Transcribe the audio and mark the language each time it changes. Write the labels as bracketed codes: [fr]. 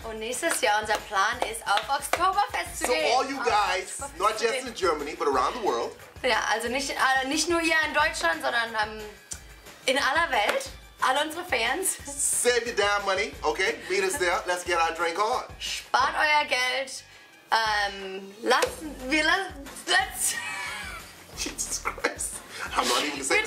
[de] Und nächstes Jahr, unser Plan ist auf Oktoberfest zu gehen. [en] So all you guys, not just in Germany, but around the world. [de] Ja, also nicht nur hier in Deutschland, sondern in aller Welt. All unsere Fans. [en] Save your damn money, okay? Meet us there. Let's get our drink on. [de] Spart euer Geld. [en] Let's. Jesus Christ. I'm not even saying